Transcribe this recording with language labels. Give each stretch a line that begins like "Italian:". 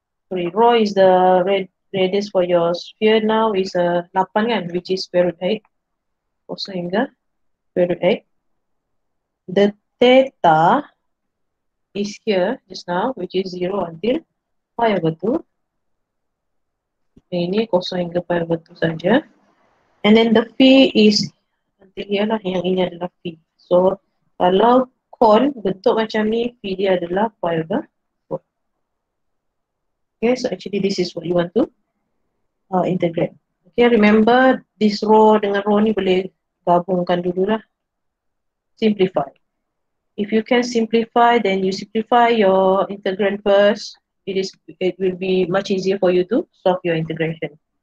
English: Sorry, rho is the radius for your sphere. Now is a 8 kan, which is square root 8. Also hingga square root 8. The theta is here just now, which is 0 until pi over 2.
Malay: Ini kosong hingga pi over 2 saja.
English: And then the phi is until here lah,
Malay: yang ini adalah phi. So kalau cone bentuk macam ni, phi dia adalah pi over 4.
English: Okay, so actually this is what you want to integrate.
Malay: Okay, remember this rho dengan rho ni boleh gabungkan dululah. Simplify.
English: If you can simplify, then you simplify your integrand first. It will be much easier for you to solve your integration.